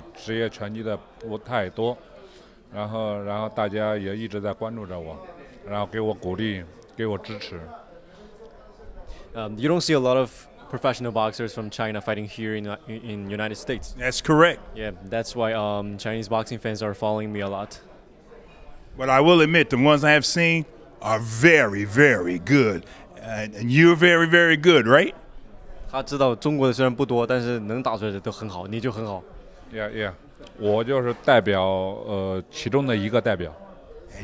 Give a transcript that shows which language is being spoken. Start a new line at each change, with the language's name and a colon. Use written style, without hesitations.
Chinese: 因为毕竟中国在国外打职业拳击的不太多。然后大家也一直在关注着我，然后给我鼓励，给我支持。
English: You don't see a lot of professional boxers from China fighting here in United States. That's correct. Yeah, that's why Chinese boxing fans are following me a lot. But I will admit, the ones I have seen are very, very good. And you're very, very good, right?
Chinese: 他知道中国的虽然不多，但是能打出来的都很好，你就很好。
English: Yeah.
Chinese: 我就是代表其中的一个代表。And